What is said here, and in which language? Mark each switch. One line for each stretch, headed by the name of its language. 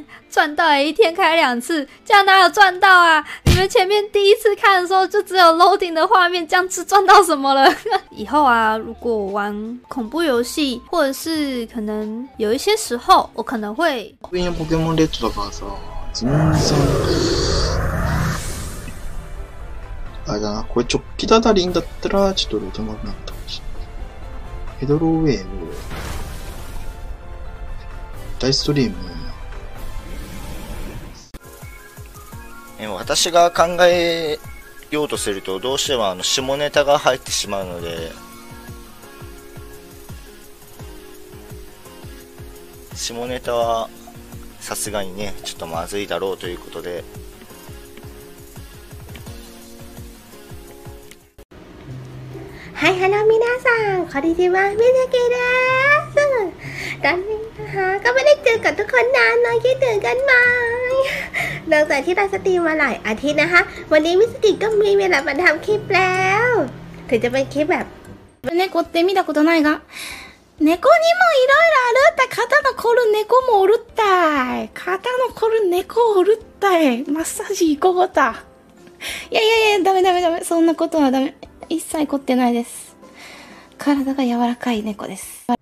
Chinese: 赚到一天开两次，这样哪有赚到啊。你们前面第一次看的时候就只有 loading 的画面，这样是赚到什么了。以后啊，如果玩恐怖游戏，或者是可能有一些时候我可能会。
Japanese: 最近ポケモンレッドとかさ、全然。あれだな、これ直帰ダダリンだったらちょっとロードマグなったかもしれない。ヘドロウェイブ。大ストリーム。私が考えようとするとどうしても下ネタが入ってしまうので、下ネタはさすがにねちょっとまずいだろうということで。はい、ハロー皆さん、こんにちは、みずきです。残念な
Thai: ก็ไม่ได้เจอกับทุกคนนานเลยคิดถึงกันไหมหลังจากที่เราสตรีมมาหลายอาทิตย์นะคะวันนี้มิสติกก็มีเวลามาทำคลิปแล้วถึงจะเป็นคลิปแบบ
Japanese: เนโกะって見たことないが猫にもいろいろあるって肩の凝る猫もおるったい肩の凝る猫おるったいマッサージ行こうたいやいやいやダメダメダメそんなことはダメ一切凝ってないです体が柔らかい猫です